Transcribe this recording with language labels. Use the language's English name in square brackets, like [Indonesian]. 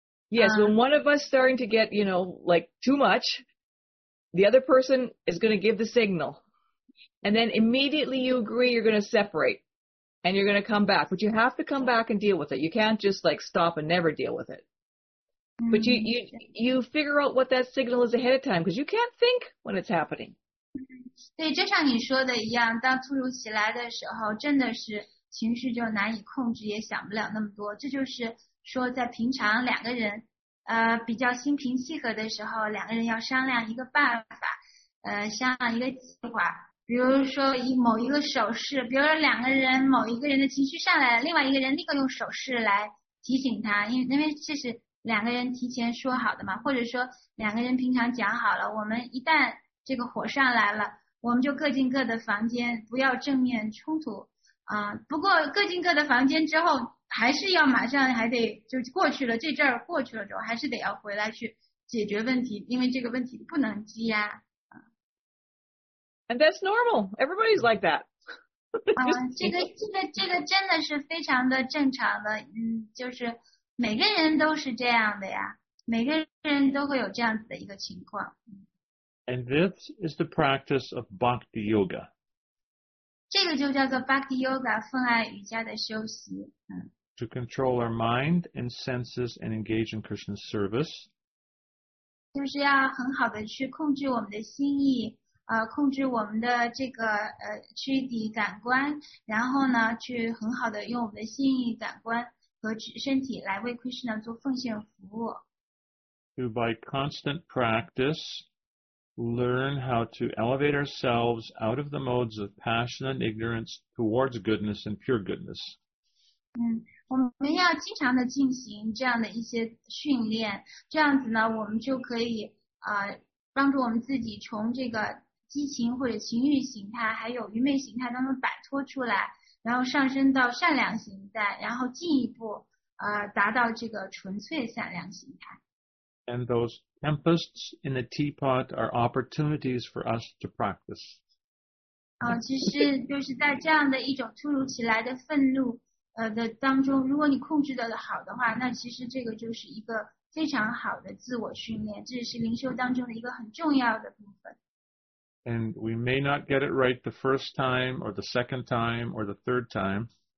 [English] Yes, when one of us starting to get, too much, the other person is going to give the signal. And then immediately you agree you're going to separate. And you're going to come back. But you have to come back and deal with it. You can't just stop and never deal with it. But you figure out what that signal is ahead of time, because you can't think when it's happening. [Chinese] 对，就像你说的一样，当突如其来的时候，真的是情绪就难以控制，也想不了那么多。这就是说在平常两个人比较心平气和的时候，两个人要商量一个办法，商量一个计划。比如说某一个手势，比如说两个人某一个人的情绪上来了，另外一个人立刻用手势来提醒他，因为这是两个人提前说好的嘛，或者说两个人平常讲好了，我们一旦这个火上来了，我们就各进各的房间，不要正面冲突啊。不过各进各的房间之后，还是要马上还得就过去了，这阵儿过去了之后，还是得要回来去解决问题，因为这个问题不能积压。 [English] And that's normal. Everybody's like that. [Chinese] 这个真的是非常的正常的，就是每个人都是这样的呀，每个人都会有这样子的一个情况。 [English] And this is the practice of Bhakti Yoga. [Chinese] 这个就叫做 Bhakti Yoga, 奉爱瑜伽的修习。 [English] To control our mind and senses and engage in Krishna's service. [Chinese] 就是要很好的去控制我们的心意。控制我们的这个躯体感官，然后呢，去很好的用我们的心意感官和身体来为 Krishna 做奉献服务。 [English] To by constant practice, learn how to elevate ourselves out of the modes of passion and ignorance towards goodness and pure goodness. [Chinese] 我们要经常的进行这样的一些训练，这样子呢，我们就可以帮助我们自己从这个。激情或者情欲形态，还有愚昧形态，当中摆脱出来，然后上升到善良形态，然后进一步达到这个纯粹善良形态。 [English] And those tempests in the teapot are opportunities for us to practice. [Chinese] 其实就是在这样的一种突如其来的愤怒的当中，如果你控制得好的话，那其实这个就是一个非常好的自我训练，这是灵修当中的一个很重要的部分。 [English] And we may not get it right the first time, or the second time, or the third time.